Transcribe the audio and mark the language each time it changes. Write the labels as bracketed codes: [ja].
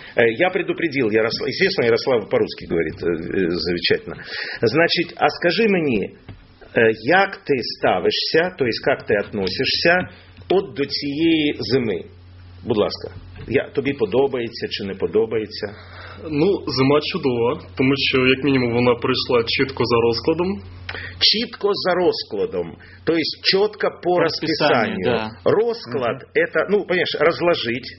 [ru] Я предупредил Ярослава. Естественно, Ярослав по-русски говорит замечательно. Значит, а скажи мне, как ты ставишься, то есть как ты относишься от [uk] до цієї зими? Будь ласка. Тобі подобається чи не подобається? Ну, зима чудова, тому що, як мінімум, вона прийшла чітко за розкладом. Чітко за розкладом. Тобто, чітко по розписанню. [ru] Да. Розклад, это, ну, понимаєш, розложить.